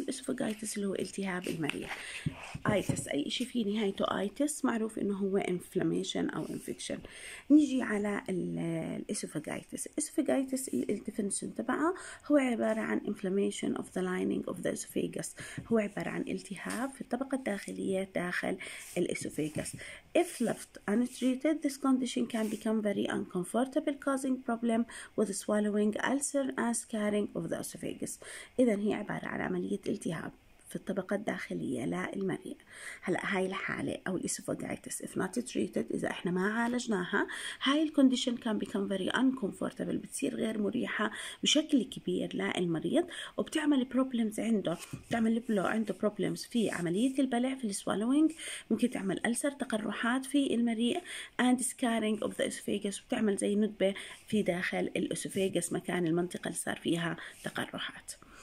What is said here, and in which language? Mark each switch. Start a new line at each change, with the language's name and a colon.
Arabic: الإسوفاجايتس اللي هو التهاب المريء. آيتس أي إشي فيه نهايته آيتس معروف إنه هو إنفلاميشن أو إنفكشن. نيجي على الإسوفاجايتس. الإسوفاجايتس الديفينيشن تبعه هو عبارة عن إنفلاميشن
English: of the lining of the esophagus,
Arabic: هو عبارة عن التهاب في الطبقة الداخلية داخل الإسوفاجايتس.
English: If left untreated, this condition can become very uncomfortable, causing problem with swallowing, ulcer, and scarring of the esophagus.
Arabic: إذن هي عبارة عن عملية التهاب في الطبقة الداخلية للمريء. هلأ هاي الحالة أو الإسوفاجايتس
English: if not treated,
Arabic: إذا إحنا ما عالجناها, هاي الكونديشن كان بيكون
English: very uncomfortable,
Arabic: بتصير غير مريحة بشكل كبير للمريض وبتعمل problems عنده, بتعمل له عنده problems في عملية البلع في السوالوينج, ممكن تعمل ألسر تقرحات في المريء
English: and scarring of the esophagus,
Arabic: بتعمل زي ندبة في داخل الإسوفاجس مكان المنطقة اللي صار فيها تقرحات.